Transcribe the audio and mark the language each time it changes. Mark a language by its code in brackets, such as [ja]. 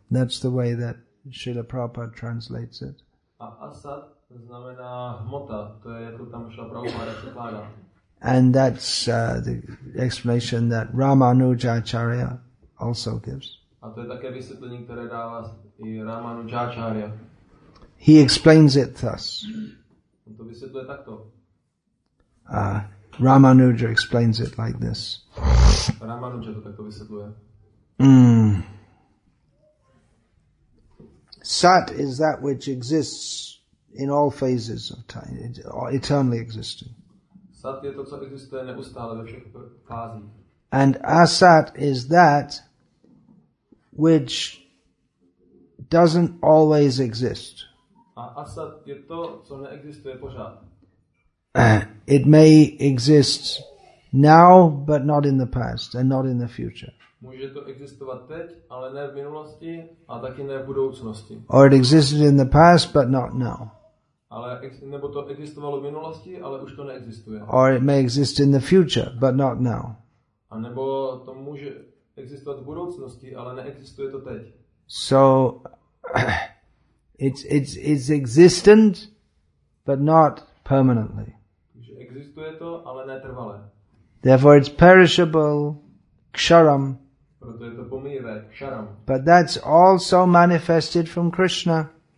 [en] That's the way that Srila Prabhupada translates it. [cs] A asat znamená hmota. To je jako tam Srila Prabhupada překládá. [en] And that's the explanation that Ramanujacharya also gives. [cs] A to je také vysvětlení, které dává i Ramanujacharya. [en] He explains it thus. [cs] On to vysvětluje takto. [en] Ramanuja explains it like this. [cs] Ramanuja to takto vysvětluje. [en] Sat is that which exists in all phases of time, eternally existing. [cs] Sat je to, co existuje neustále ve všech fázích. [en] And asat is that which doesn't always exist. [cs] A asat je to, co neexistuje pořád. [en] It may exist now, but not in the past and not in the future. [cs] Může to existovat teď, ale ne v minulosti a taky ne v budoucnosti. [en] Or it existed in the past, but not now. [cs] Ale nebo to existovalo v minulosti, ale už to neexistuje. [en] Or it may exist in the future, but not now. [cs] A nebo to může existovat v budoucnosti, ale neexistuje to teď. [en] So it's existent, but not permanently. [cs] Takže existuje to, ale netrvale. [en] Therefore it's perishable, ksharam. [cs] Proto je to pomývé, ksharam. [en] But that's also manifested from Krishna.